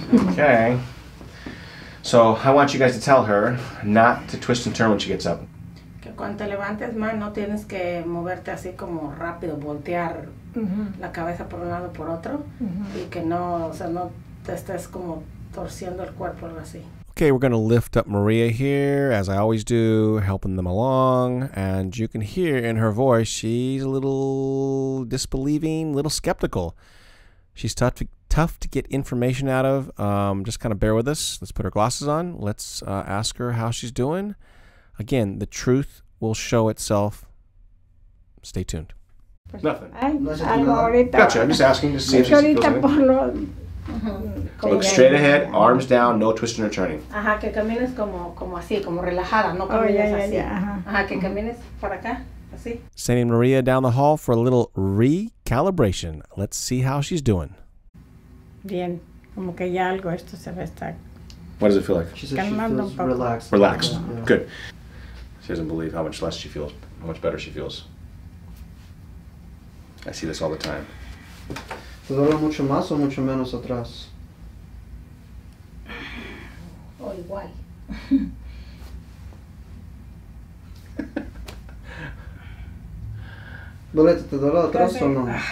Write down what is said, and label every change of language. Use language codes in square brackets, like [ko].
[en] Okay. So I want you guys to tell her not to twist and turn when she gets up. [es] Que cuando te levantes más no tienes que moverte así como rápido, voltear la cabeza por un lado por otro, y que no, o sea, no te estés como torciendo el cuerpo así. [en] Okay, we're going to lift up Maria here, as I always do, helping them along. And you can hear in her voice, she's a little disbelieving, a little skeptical. She's tough to get information out of. Just kind of bear with us. Let's put her glasses on. Let's ask her how she's doing. Again, the truth will show itself. Stay tuned. Nothing. Gotcha. I'm just asking to see if she's feeling. Uh-huh. Look straight ahead, arms down, no twisting or turning. [es] Ajá, que camines como así, como relajada, no camines así. Ajá, que camines para acá, así. [en] Sending Maria down the hall for a little recalibration. Let's see how she's doing. [es] Bien, como que ya algo esto se ve está. [en] What does it feel like? She says she feels relaxed. Relaxed, yeah. Good. She doesn't believe how much less she feels, how much better she feels. I see this all the time. [es] ¿Te duele mucho más o mucho menos atrás? O igual. ¿Dolete, te duele atrás o no?